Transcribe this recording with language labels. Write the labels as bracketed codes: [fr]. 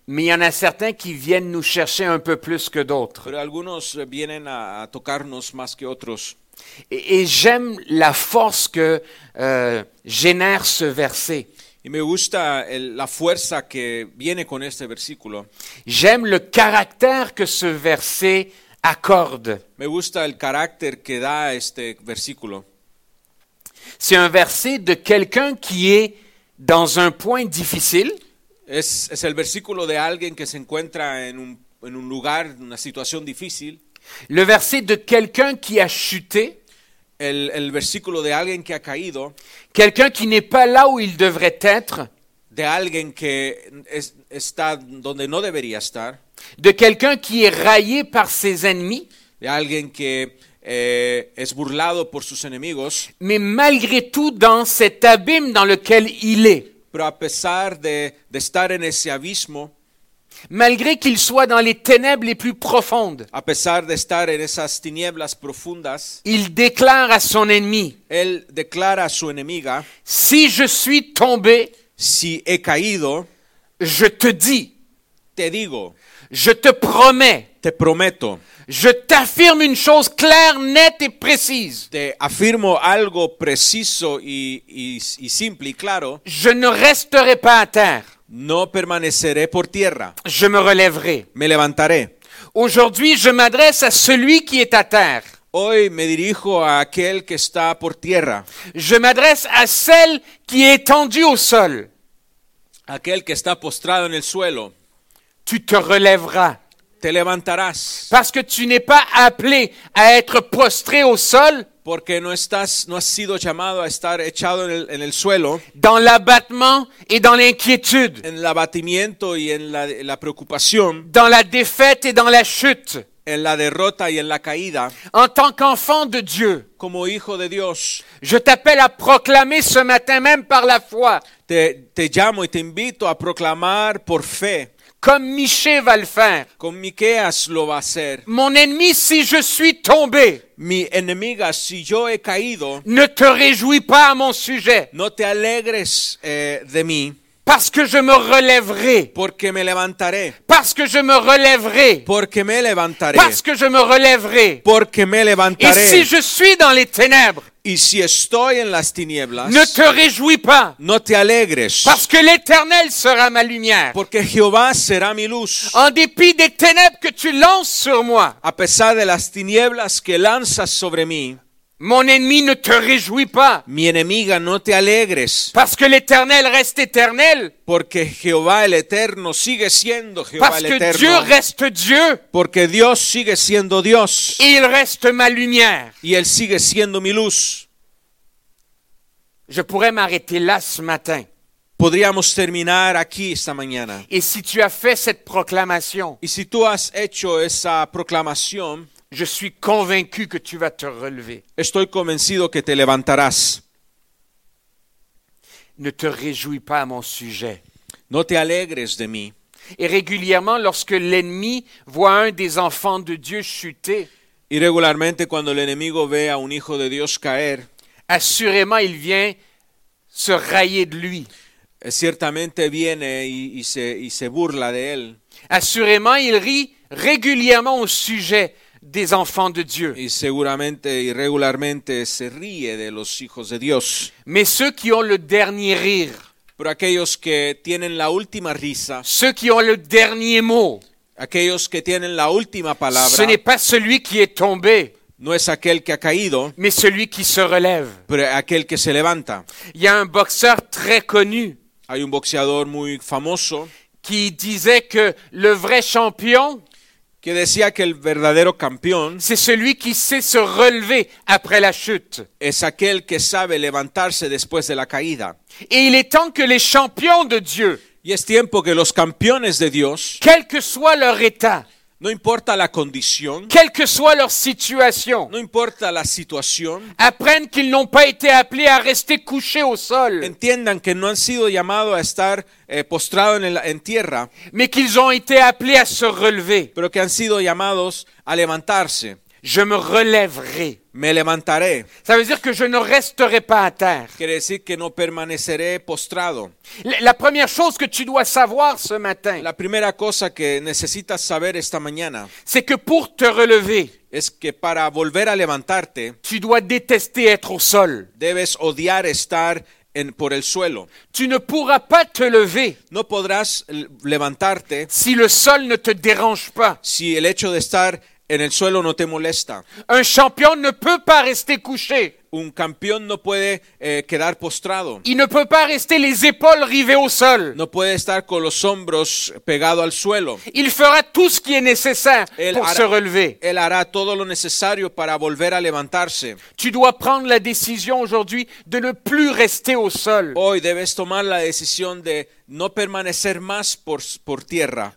[fr] Mais il y en a certains qui viennent nous chercher un peu plus que d'autres. [es] Pero algunos vienen a tocarnos más que otros. [fr] Et j'aime la force que génère ce verset. [es] Y me gusta la fuerza que viene con este versículo. [fr] J'aime le caractère que ce verset accorde. [es] Me gusta el carácter que da este versículo. [fr] C'est un verset de quelqu'un qui est dans un point difficile. [es] Es el versículo de alguien que se encuentra en un lugar, en una situación difícil. [fr] Le verset de quelqu'un qui a chuté. [es] El versículo de alguien que ha caído, [fr] quelqu'un qui n'est pas là où il devrait être, [es] de alguien que está donde no debería estar, [fr] de quelqu'un qui est raillé par ses ennemis, [es] de alguien que es burlado por sus enemigos, [fr] mais malgré tout dans cet abîme dans lequel il est, [es] pero a pesar de estar en ese abismo, [fr] malgré qu'il soit dans les ténèbres les plus profondes, [es] a pesar de estar en esas tinieblas profundas, [fr] il déclare à son ennemi, [es] él declara a su enemiga, [fr] si je suis tombé, [es] si he caído, [fr] je te dis, [es] te digo, [fr] je te promets, [es] te prometo, [fr] je t'affirme une chose claire, nette et précise. [es] Te afirmo algo preciso y simple y claro. [fr] Je ne resterai pas à terre. [es] No permaneceré por tierra. [fr] Je me relèverai. [es] Me levantaré. [fr] Aujourd'hui, je m'adresse à celui qui est à terre. [es] Hoy me dirijo a aquel que está por tierra. [fr] Je m'adresse à celle qui est étendue au sol. [es] Aquel que está postrado en el suelo. [fr] Tu te relèveras. [es] te levantarás. [fr] Parce que tu n'es pas appelé à être prostré au sol. [es] Porque no has sido llamado a estar echado en el suelo. [fr] Dans l'abattement et dans l'inquiétude. [es] En el abatimiento y en la preocupación. [fr] Dans la défaite et dans la chute. [es] En la derrota y en la caída. [fr] En tant qu'enfant de Dieu. [es] Como hijo de Dios. [fr] Je t'appelle à proclamer ce matin même par la foi. [es] Te llamo y te invito a proclamar por fe. [fr] Comme Miché va le faire. [es] Comme Miqueas lo va hacer. [fr] Mon ennemi, si je suis tombé. [es] Mi enemiga, si yo he caído. [fr] Ne te réjouis pas à mon sujet. [es] No te alegres de mí. [fr] Parce que je me relèverai. [es] Porque me levantaré. [fr] Parce que je me relèverai. [es] Porque me levantaré. [fr] Parce que je me relèverai. [es] Porque me levantaré. [fr] Et si je suis dans les ténèbres. [es] Y si estoy en las tinieblas. [fr] Ne te réjouis pas. [es] No te alegres. [fr] Parce que l'Éternel sera ma lumière. [es] Porque Jehová será mi luz. [fr] En dépit des ténèbres que tu lances sur moi. [es] A pesar de las tinieblas que lanzas sobre mí. [fr] Mon ennemi, ne te réjouis pas. [es] Mi enemiga, no te alegres. [fr] Parce que l'Éternel reste éternel. [es] Porque Jehová el Eterno sigue siendo Jehová [fr] Parce [es] el Eterno. [fr] Parce que Dieu reste Dieu. [es] Porque Dios sigue siendo Dios. [fr] Et il reste ma lumière. [es] Y él sigue siendo mi luz. [fr] Je pourrais m'arrêter là ce matin. [es] Podríamos terminar aquí esta mañana. [fr] Et si tu as fait cette proclamation. [es] Y si tú has hecho esa proclamación. [fr] Je suis convaincu que tu vas te relever. [es] Estoy convencido que te levantarás. [fr] Ne te réjouis pas à mon sujet. [es] No te alegres de mí. [fr] Et régulièrement, lorsque l'ennemi voit un des enfants de Dieu chuter, [es] y regularmente cuando el enemigo ve a un hijo de Dios caer, [fr] assurément il vient se railler de lui. [es] Ciertamente viene y se burla de él. [fr] Assurément il rit régulièrement au sujet. Des enfants de Dieu. [es] Y seguramente y regularmente se ríe de los hijos de Dios. [fr] Mais ceux qui ont le dernier rire. [es] Pero aquellos que tienen la última risa. [fr] Ceux qui ont le dernier mot. [es] Aquellos que tienen la última palabra. [fr] Ce n'est pas celui qui est tombé. [es] No es aquel que ha caído. [fr] Mais celui qui se relève. [es] Pero aquel que se levanta. [fr] Il y a un boxeur très connu. [es] Hay un boxeador muy famoso. [fr] Qui disait que le vrai champion. [es] Que decía que el verdadero campeón [fr] c'est celui qui sait se relever après la chute. [es] Es aquel que sabe levantarse después de la caída. [fr] Et il est temps que les champions de Dieu, [es] y es tiempo que los campeones de Dios, [fr] quel que soit leur état, [es] no importa la condición, [fr] quelle que soit leur situation, [es] no importa la situación, [fr] apprennent qu'ils n'ont pas été appelés à rester couchés au sol, [es] entiendan que no han sido llamados a estar postrados en tierra, [fr] mais qu'ils ont été appelés à se relever, [es] pero que han sido llamados a levantarse. [fr] Je me relèverai. [es] Me levantaré. [fr] Ça veut dire que je ne resterai pas à terre. [es] Quiere decir que no permaneceré postrado. [fr] La première chose que tu dois savoir ce matin. [es] La primera cosa que necesitas saber esta mañana. [fr] C'est que pour te relever. [es] Es que para volver a levantarte. [fr] Tu dois détester être au sol. [es] Debes odiar estar por el suelo. [fr] Tu ne pourras pas te lever. [es] No podrás levantarte. [fr] Si le sol ne te dérange pas. [es] Si el hecho de estar en el suelo no te molesta. [fr] Un champion ne peut pas rester couché. [es] Un campeón no puede quedar postrado. [fr] Il ne peut pas rester les épaules rivées au sol. [es] No puede estar con los hombros pegado al suelo. [fr] Il fera tout ce qui est nécessaire [es] él [fr] pour se relever. [es] Él hará todo lo necesario para volver a levantarse. [fr] Tu dois prendre la décision aujourd'hui de ne plus rester au sol. [es] Hoy debes tomar la decisión de no permanecer más por tierra.